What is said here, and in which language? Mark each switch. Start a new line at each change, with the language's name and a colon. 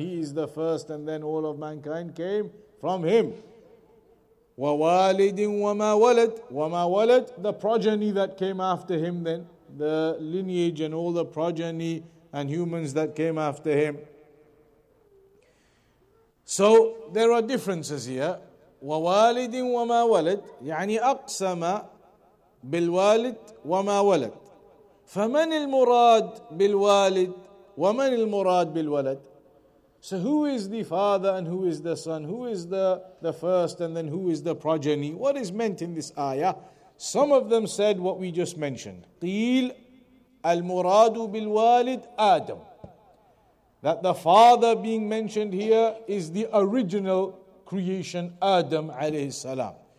English: He is the first, and then all of mankind came from him.
Arabic: وَوَالِدٍ وَمَا وَلَدْ, وَمَا وَلَدْ,
English: the progeny that came after him then, the lineage and all the progeny and humans that came after him. So there are differences here.
Arabic: وَوَالِدٍ وَمَا وَلَدْ, يعني أقسم بالوالد وما ولد. فمن المراد بالوالد ومن المراد بالولد.
English: So who is the father and who is the son? Who is the first and then who is the progeny? What is meant in this ayah? Some of them said what we just mentioned.
Arabic: قيل المراد بالوالد آدم.
English: That the father being mentioned here is the original creation, Adam
Arabic: عليه السلام.